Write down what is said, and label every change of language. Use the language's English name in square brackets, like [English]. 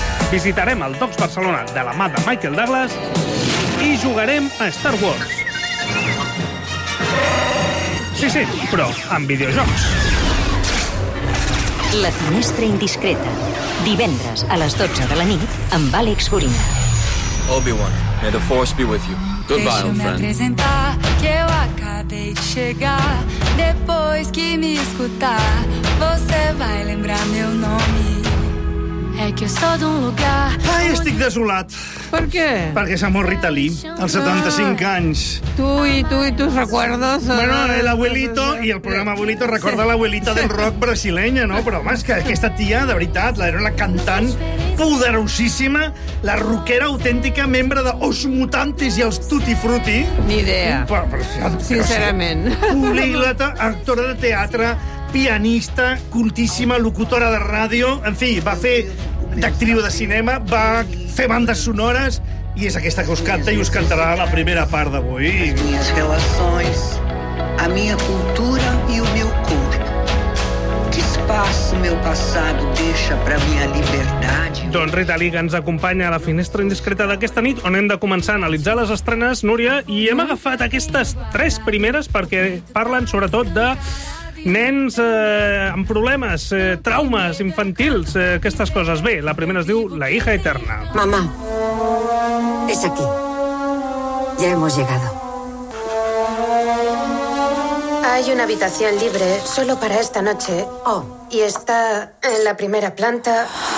[Catalan] Visitarem el Docs Barcelona de la mà de Michael Douglas i jugarem a Star Wars. Sí, sí, però amb videojocs. La finestra indiscreta. Divendres a les 12 de la nit amb Àlex Gorina. [English] Obi-Wan, may the force be with you. Goodbye, old friend. [Portuguese] Deixa-me presentar que eu acabei de chegar. Depois que me escutar, você vai lembrar meu nome. É que eu sou de um lugar... [Catalan] Ai, estic desolat. Per què? Perquè s'ha mort Rita Lee, als 75 anys. [Spanish] Tu i tus recuerdos... Bueno, el abuelito, [Catalan] i el programa Abuelito recorda l'abuelita del rock brasileña, no? Però, home, és que aquesta tia, de veritat, era una cantant poderosíssima, la rockera autèntica, membre de Os Mutantes i els Tutti Frutti. Ni idea. Sincerament. Políglota, actora de teatre, pianista, cultíssima, locutora de ràdio... En fi, va fer d'actriu de cinema, va fer bandes sonores i és aquesta que us canta i us cantarà la primera part d'avui. [Portuguese] Les minhas relações, a minha cultura e o meu corpo. Que espaço meu passado deixa pra minha liberdade? [Catalan] Doncs Rita Lee, que ens acompanya a la finestra indiscreta d'aquesta nit, on hem de començar a analitzar les estrenes, Núria, i hem agafat aquestes tres primeres perquè parlen sobretot de... nens amb problemes, traumes infantils, aquestes coses. Bé, la primera es diu La hija eterna. [Spanish] Mamá, es aquí. Ya hemos llegado. Hay una habitación libre solo para esta noche. Oh. Y está en la primera planta.